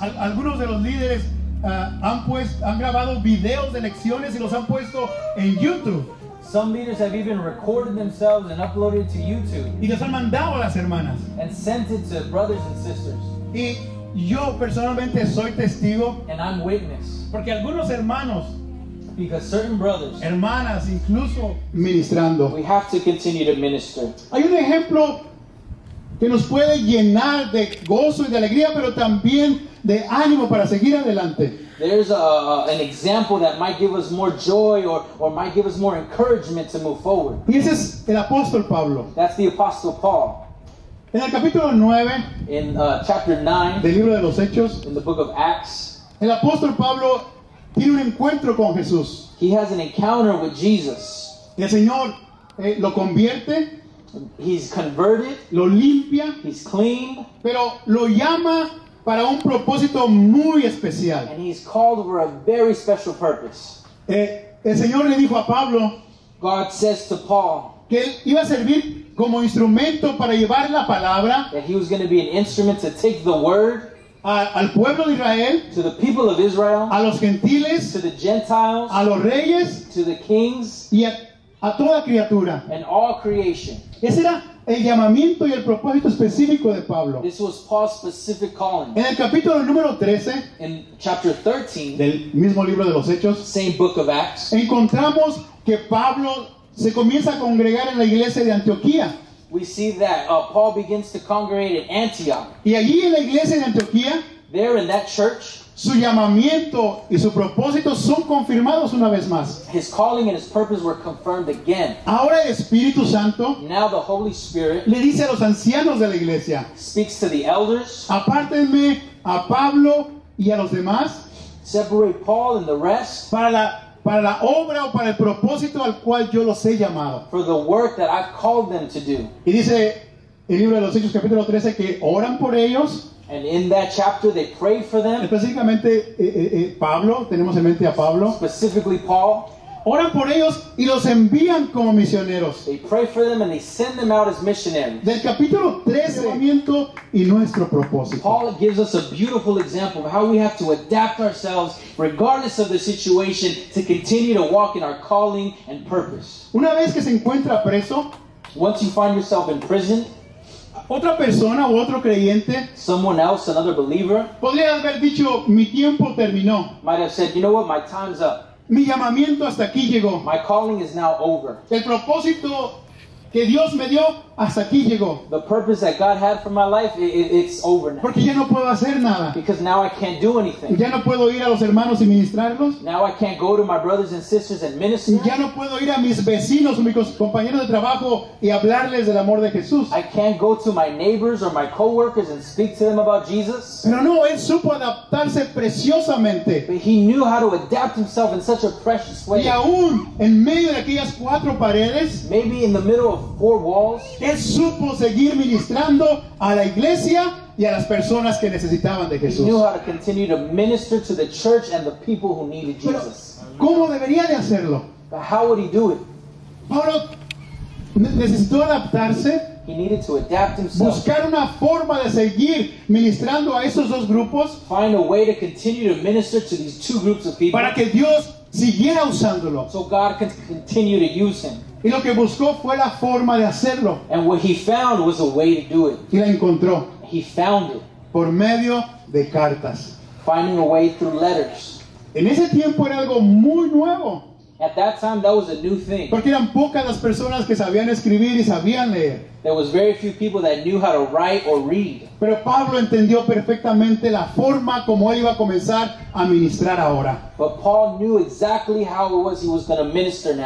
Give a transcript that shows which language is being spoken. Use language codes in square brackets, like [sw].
[es] Algunos de los líderes han grabado videos de lecciones y los han puesto en YouTube. [en] Some leaders have even recorded themselves and uploaded to YouTube. [es] Y los han mandado a las hermanas. [en] And sent it to brothers and sisters. [es] Y yo personalmente soy testigo. [en] And I'm witness. [es] Porque algunos hermanos, [en] Because certain brothers, [es] hermanas, incluso ministrando. [en] We have to continue to minister. [es] Hay un ejemplo que nos puede llenar de gozo y de alegría, pero también de ánimo para seguir adelante. [en] There's an example that might give us more joy or might give us more encouragement to move forward. [es] Y ese es el apóstol Pablo. [en] That's the apostle Paul. [es] En el capítulo 9, [en] in chapter 9 [es] del libro de los Hechos, [en] in the book of Acts, [es] el apóstol Pablo tiene un encuentro con Jesús. [en] He has an encounter with Jesus. [es] Y el Señor lo convierte. [en] He's converted. [es] Lo limpia. [en] He's clean. [es] Pero lo llama para un propósito muy especial. [en] And he's called for a very special purpose. [es] El Señor le dijo a Pablo, [en] God says to Paul, [es] que él iba a servir como instrumento para llevar la palabra, [en] that he was going to be an instrument to take the word, [es] al pueblo de Israel, [en] to the people of Israel, [es] a los gentiles, [en] to the gentiles, [es] a los reyes, [en] to the kings, [es] y a toda criatura, [en] and all creation. [es] Ese era el llamamiento y el propósito específico de Pablo. [en] This was Paul's specific calling. [es] En el capítulo número 13, [en] in chapter 13 [es] del mismo libro de los Hechos, [en] same book of Acts, [es] encontramos que Pablo se comienza a congregar en la iglesia de Antioquía. [en] We see that Paul begins to congregate in Antioch. [es] Y allí en la iglesia de Antioquía, [en] there in that church, [es] su llamamiento y su propósito son confirmados una vez más. [en] His calling and his purpose were confirmed again. [es] Ahora el Espíritu Santo, [en] now the Holy Spirit, [es] le dice a los ancianos de la iglesia, [en] speaks to the elders, [es] apártenme a Pablo y a los demás, [en] separate Paul and the rest, [es] para la obra o para el propósito al cual yo los he llamado. [en] For the work that I've called them to do. [es] Y dice el libro de los Hechos capítulo 13 que oran por ellos. [en] And in that chapter they pray for them. [es] Específicamente Pablo, tenemos en mente a Pablo. [en] Specifically Paul. [es] Oran por ellos y los envían como misioneros. [en] They pray for them and they send them out as missionaries. [es] Del capítulo 13, llamamiento y nuestro propósito. [en] Paul gives us a beautiful example of how we have to adapt ourselves regardless of the situation to continue to walk in our calling and purpose. [es] Una vez que se encuentra preso, [en] once you find yourself in prison, [es] otra persona u otro creyente, [en] someone else, another believer, [es] podría haber dicho, mi tiempo terminó. [en] Might have said, you know what, my time's up. [es] Mi llamamiento hasta aquí llegó. [en] My calling is now over. [es] El propósito que Dios me dio hasta aquí llegó. [en] The purpose that God had for my life, it's over now. [es] Porque ya no puedo hacer nada. [en] Because now I can't do anything. [es] Ya no puedo ir a los hermanos y ministrarlos. [en] Now I can't go to my brothers and sisters and minister. [es] Ya no puedo ir a mis vecinos o mis compañeros de trabajo y hablarles del amor de Jesús. [en] I can't go to my neighbors or my coworkers and speak to them about Jesus. [es] Pero no, él supo adaptarse preciosamente. [en] But he knew how to adapt himself in such a precious way. [es] Y aún en medio de aquellas cuatro paredes, [en] maybe in the middle of four walls, [es] él supo seguir ministrando a la iglesia y a las personas que necesitaban de Jesús. [en] He knew how to continue to minister to the church and the people who needed Jesus. [es] Pero, ¿cómo debería de hacerlo? [en] But how would he do it? [es] Pablo necesitó adaptarse. [en] He needed to adapt himself. [es] Buscar una forma de seguir ministrando a esos dos grupos. [en] Find a way to continue to minister to these two groups of people. [es] Para que Dios siguiera usándolo. [en] So God could continue to use him. [es] Y lo que buscó fue la forma de hacerlo. [en] And what he found was a way to do it. [es] Y la encontró. [en] He found it. [es] Por medio de cartas. [en] Finding a way through letters. [es] En ese tiempo era algo muy nuevo. [en] At that time, that was a new thing. [es] Porque eran pocas las personas que sabían escribir y sabían leer. [en] There was very few people that knew how to write or read. [es] Pero Pablo entendió perfectamente la forma como él iba a comenzar a ministrar ahora. [en] But Paul knew exactly how it was he was going to minister now.